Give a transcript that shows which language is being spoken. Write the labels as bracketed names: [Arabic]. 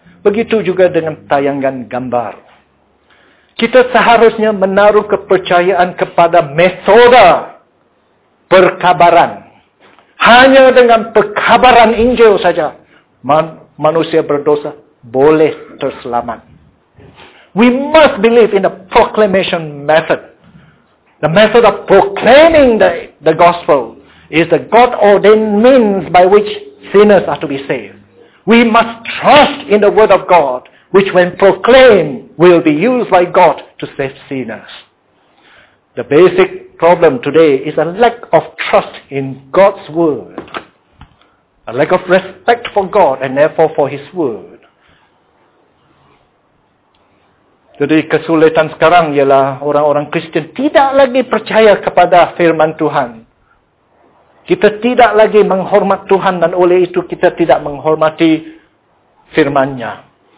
[Malay] Begitu juga dengan tayangan gambar. Kita seharusnya menaruh kepercayaan kepada metoda perkabaran. Hanya dengan perkabaran Injil saja. Manusia berdosa boleh terselamat. [English] We must believe in the proclamation method. The method of proclaiming the gospel is the God-ordained means by which sinners are to be saved. We must trust in the word of God, which when proclaimed will be used by God to save sinners. The basic problem today is a lack of trust in God's word. A lack of respect for God and therefore for His Word. [Malay] Jadi kesulitan sekarang ialah orang-orang Kristian tidak lagi percaya kepada firman Tuhan. Kita tidak lagi menghormat Tuhan dan oleh itu kita tidak menghormati firman-Nya.